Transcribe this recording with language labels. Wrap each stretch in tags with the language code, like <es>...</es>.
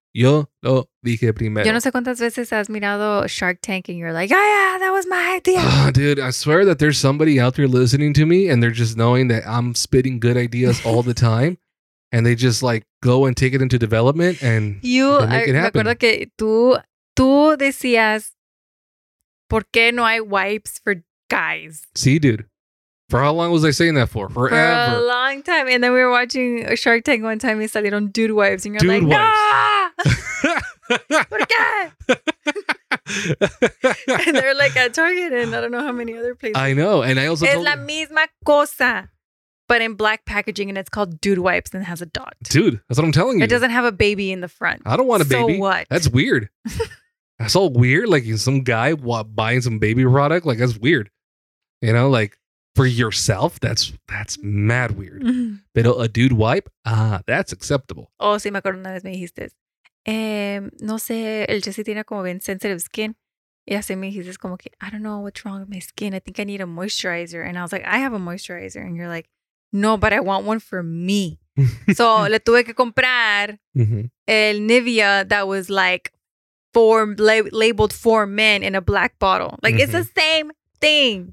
<es>Yo lo dije primero. Yo no sé cuántas veces has mirado</es> <en>Shark Tank and you're like, yeah, that was my idea. Dude, I swear that there's somebody out there listening to me and they're just knowing that I'm spitting good ideas all the time. And they just like go and take it into development and make it happen.</en> <es>Me acuerdo que tú decías, ¿por qué no hay</es> <en>wipes for guys? See, dude. For how long was I saying that for? Forever. For a long time. And then we were watching Shark Tank one time and</en> <es>salieron</es> <en>dude wipes. And you're dude like, wipes. No!</en> <es>¿Por qué?</es> <en>And they're like at Target and I don't know how many other places. I know. And I also</en> <es>es la misma cosa.</es> <en>But in black packaging, and it's called Dude Wipes and has a dot. Dude, that's what I'm telling you. It doesn't have a baby in the front. I don't want a so baby. So what? That's weird. That's all weird. Like some guy buying some baby product. Like that's weird. You know, like for yourself, that's mad weird. But a dude wipe, that's acceptable.</en> <es>Oh, sí, me acuerdo una vez me dijiste. No sé, el Jesse tiene como bien</es> <en>sensitive skin.</en> <es>Y así me dijiste como que,</es> <en>I don't know what's wrong with my skin. I think I need a moisturizer. And I was like, I have a moisturizer. And you're like, no, but I want one for me. So,</en> <es>le tuve que comprar el</es> <en>Nivea that was like labeled for men in a black bottle. Like, it's the same thing.</en>